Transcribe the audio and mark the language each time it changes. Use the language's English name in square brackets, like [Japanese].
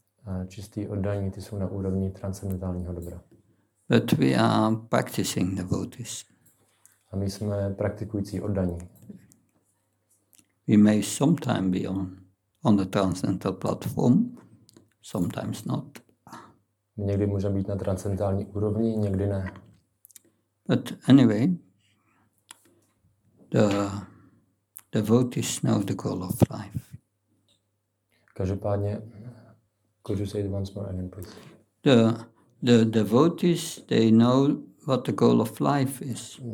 [Czech] A čistí oddaní, ty jsou na úrovni transcendentálního dobra. [English] But we are practicing devotees. [Czech] A my jsme praktikující oddaní. [English] We may sometime be on the transcendental platform, sometimes not. [Czech] Někdy můžeme být na transcendentální úrovni, někdy ne. [English] But anyway, the devotees know the goal of life. [Czech] Každopádně, [English] could you say it once more again, please? The devotees, they know what the goal of life is.